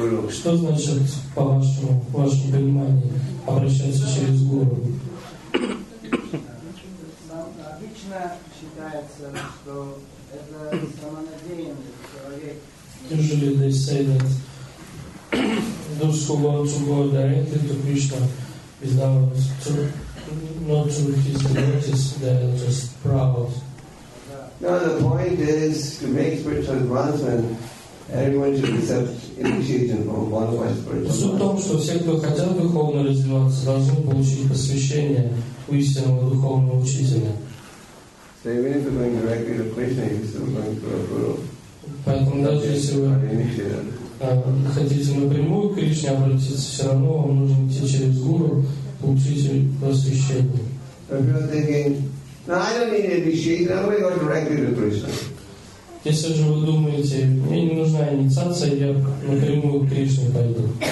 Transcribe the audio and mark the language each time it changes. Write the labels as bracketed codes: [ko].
[ru] Что значит, по вашему пониманию, обращаться через Гуру? Обычно считается, что это самонадеянный человек. [en] Usually they say that those who want to go directly to Krishna without to, not to his devotees, they are just proud. No, the point is to make spiritual advancement. Everyone should accept initiation from one of my spiritual masters. [ru] Суть в том, что все, кто хотел духовно развиваться, должны получить посвящение у истинного духовного учителя. [en] So even if you're going directly to Krishna, you're still going to a guru. [ru] Поэтому даже если вы хотите напрямую к Кришне обратиться, все равно вам нужно идти через гуру, получить посвящение. [en] If you're thinking, no, I don't need initiation, I'm going to go directly to Krishna. [ru] Если же вы думаете, мне не нужна инициация, я напрямую к Кришне пойду.